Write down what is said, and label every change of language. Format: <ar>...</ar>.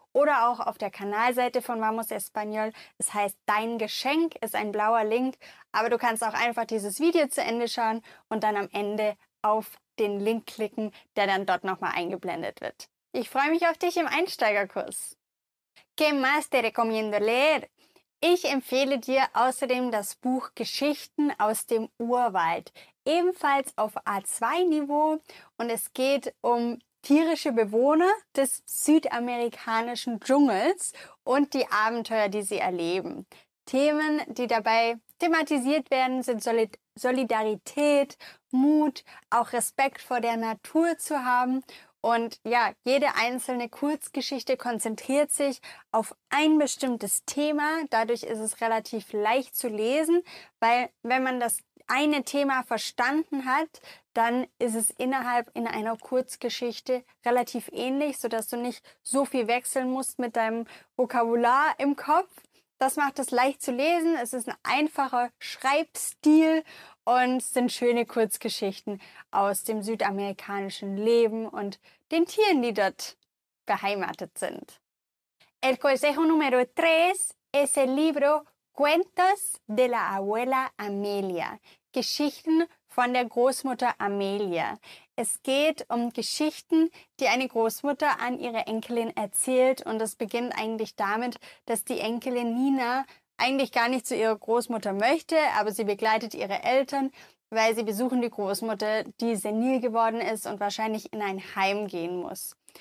<de>oder auch auf der Kanalseite von Vamos Español. Es heißt, dein Geschenk ist ein blauer Link. Aber du kannst auch einfach dieses Video zu Ende schauen und dann am Ende auf den Link klicken, der dann dort nochmal eingeblendet wird. Ich freue mich auf dich im Einsteigerkurs.</de> <es>¿Qué más te recomiendo leer?</es> <de>Ich empfehle dir außerdem das Buch Geschichten aus dem Urwald, ebenfalls auf A2-Niveau, und es geht um tierische Bewohner des südamerikanischen Dschungels und die Abenteuer, die sie erleben. Themen, die dabei thematisiert werden, sind Solidarität, Mut, auch Respekt vor der Natur zu haben. Und ja, jede einzelne Kurzgeschichte konzentriert sich auf ein bestimmtes Thema. Dadurch ist es relativ leicht zu lesen, weil wenn man das eine Thema verstanden hat, dann ist es innerhalb in einer Kurzgeschichte relativ ähnlich, sodass du nicht so viel wechseln musst mit deinem Vokabular im Kopf. Das macht es leicht zu lesen. Es ist ein einfacher Schreibstil und es sind schöne Kurzgeschichten aus dem südamerikanischen Leben und den Tieren, die dort beheimatet sind.</de> <es>El consejo número 3 es el libro Cuentos de la Abuela Amelia.</es> <de>Geschichten von der Großmutter Amelia. Es geht um Geschichten, die eine Großmutter an ihre Enkelin erzählt. Und es beginnt eigentlich damit, dass die Enkelin Nina eigentlich gar nicht zu ihrer Großmutter möchte, aber sie begleitet ihre Eltern, weil sie besuchen die Großmutter, die senil geworden ist und wahrscheinlich in ein Heim gehen muss.</de>